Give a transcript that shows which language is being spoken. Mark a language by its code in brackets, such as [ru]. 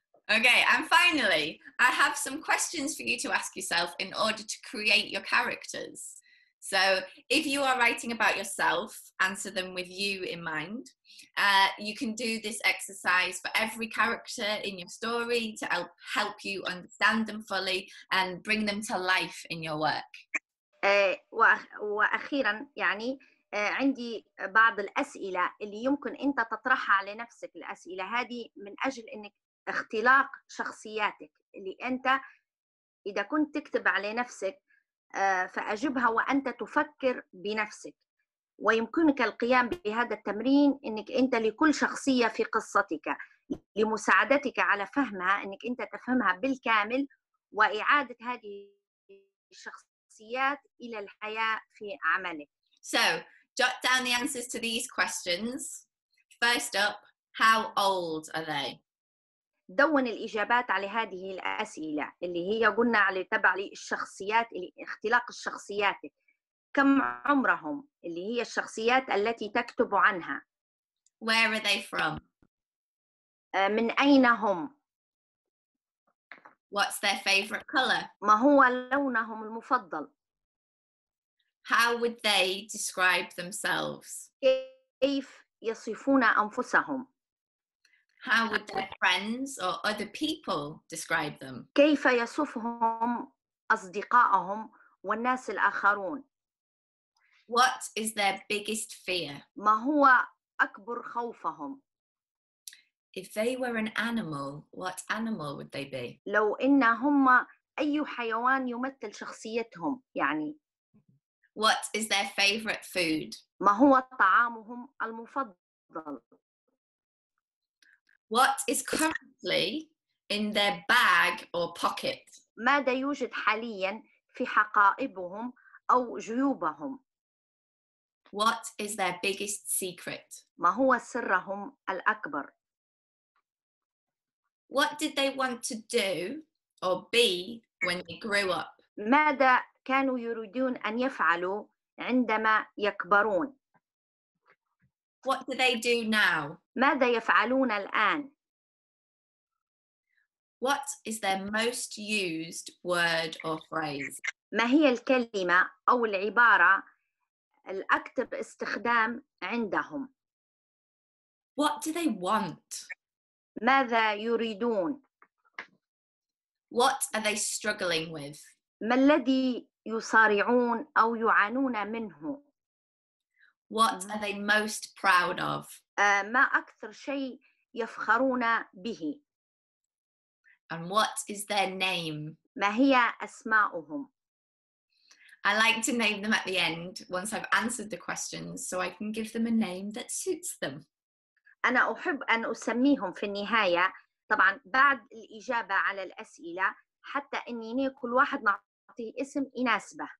[en] Okay, and finally, I have some questions for you to ask yourself in order to create your characters. So if you are writing about yourself, answer them with you in mind. You can do this exercise for every character in your story to help you understand them fully and bring them to life in your work. [ar] وأخيرا يعني عندي بعض الأسئلة اللي يمكن أنت تطرحها على نفسك. الأسئلة هذه من أجل أنك اختلاق شخصياتك اللي أنت إذا كنت تكتب على نفسك فأجبها وأنت تفكر بنفسك, ويمكنك القيام بهذا التمرين أنك أنت لكل شخصية في قصتك لمساعدتك على فهمها, أنك أنت تفهمها بالكامل وإعادة هذه الشخصية إلى الحياة في عملك. [en] So, jot down the answers to these questions. First up, how old are they? [ar] دون الإجابات على هذه الأسئلة اللي هي قلنا على تبع للشخصيات اللي اختلاق الشخصيات. كم عمرهم اللي هي الشخصيات التي تكتب عنها. [en] Where are they from? [ar] من أين هم؟ [en] What's their favorite color? [ar] ما هو لونهم المفضل؟ [en] How would they describe themselves? [ar] كيف يصفون أنفسهم؟ [en] How would their friends or other people describe them? [ar] كيف يصفهم أصدقائهم والناس الآخرون؟ [en] What is their biggest fear? [ar] ما هو أكبر خوفهم؟ [en] If they were an animal, what animal would they be? [ar] لو إنهم أي حيوان يمثل شخصيتهم يعني. [en] What is their favorite food? [ar] ما هو طعامهم المفضل؟ [en] What is currently in their bag or pocket? [ar] ماذا يوجد حاليا في حقائبهم أو جيوبهم؟ [en] What is their biggest secret? [ar] ما هو سرهم الأكبر؟ [en] What did they want to do or be when they grew up? [ar] ماذا كانوا يريدون أن يفعلوا عندما يكبرون؟ [en] What do they do now? [ar] ماذا يفعلون الآن؟ [en] What is their most used word or phrase? [ar] ما هي الكلمة أو العبارة الأكثر استخدام عندهم؟ [en] What do they want? [ar] ماذا يريدون؟ [en] What are they struggling with? [ar] ما الذي يصارعون أو يعانون منه؟ [en] What are they most proud of? [ar] ما أكثر شيء يفخرون به؟ [en] And what is their name? [ar] ما هي أسماؤهم؟ [en] I like to name them at the end once I've answered the questions so I can give them a name that suits them. [ar] أنا أحب أن أسميهم في النهاية طبعاً بعد الإجابة على الأسئلة حتى أنني كل واحد نعطيه اسم يناسبه.